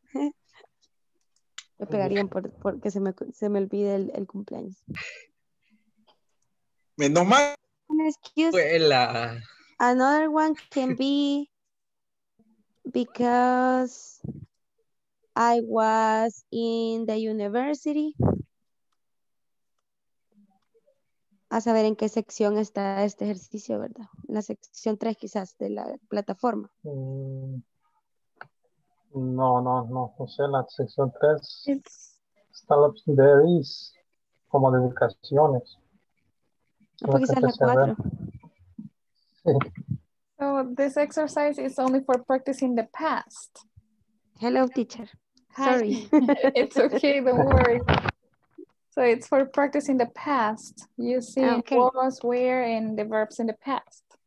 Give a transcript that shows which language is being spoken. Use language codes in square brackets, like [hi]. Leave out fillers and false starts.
[es] Me pegarían porque se me olvide el cumpleaños. Menos mal. [en] Excuse me. Another one can be because I was in the university. [es] A saber en qué sección está este ejercicio, ¿verdad? La sección 3 quizás de la plataforma. Mm. No, o sea, la sección 3 está la opción de is, como de ubicaciones. No, porque es la 4. [en] So, this exercise is only for practicing the past. Hello, teacher. Hi. Sorry. It's okay, don't worry. So, it's for practicing the past. You see, okay. Was, where, and the verbs in the past.